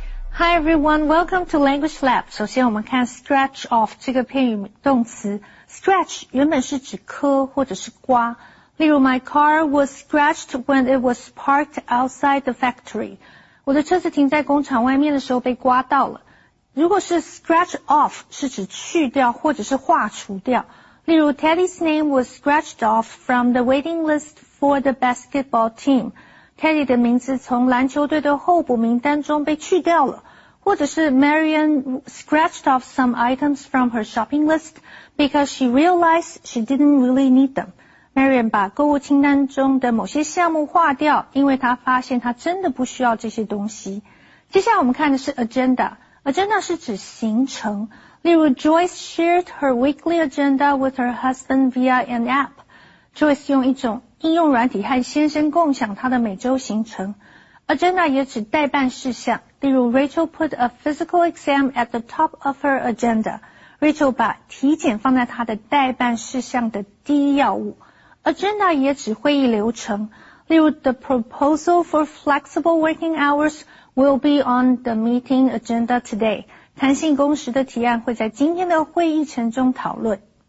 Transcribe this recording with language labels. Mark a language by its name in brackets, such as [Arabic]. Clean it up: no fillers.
[English] Hi everyone, welcome to Language Lab. [Chinese] 首先我们看 [English] stretch off [Chinese] 这个片语动词。 Stretch 原本是指磕或者是刮。例如 [English] my car was scratched when it was parked outside the factory. [Chinese] 我的车子停在工厂外面的时候被刮到了。如果是 scratch off 是指去掉或者是划除掉。例如 [English] Teddy's name was scratched off from the waiting list for the basketball team. [Chinese] Teddy 的名字从篮球队的候补名单中被去掉了，或者是 [English] Marion scratched off some items from her shopping list because she realized she didn't really need them. [Chinese] Marion 把购物清单中的某些项目划掉，因为她发现她真的不需要这些东西。接下来我们看的是 [English] agenda。Agenda [Chinese] 是指行程，例如 [English] Joyce shared her weekly agenda with her husband via an app. [Chinese] Joyce 用一种应用软体和先生共享他的每周行程。 [English] Agenda [Chinese] 也指代办事项，例如 [English] Rachel put a physical exam at the top of her agenda. [Chinese] Rachel 把体检放在他的代办事项的第一要务。 [English] Agenda [Chinese] 也指会议流程，例如 [English] The proposal for flexible working hours will be on the meeting agenda today. [Chinese] 弹性工时的提案会在今天的会议程中讨论。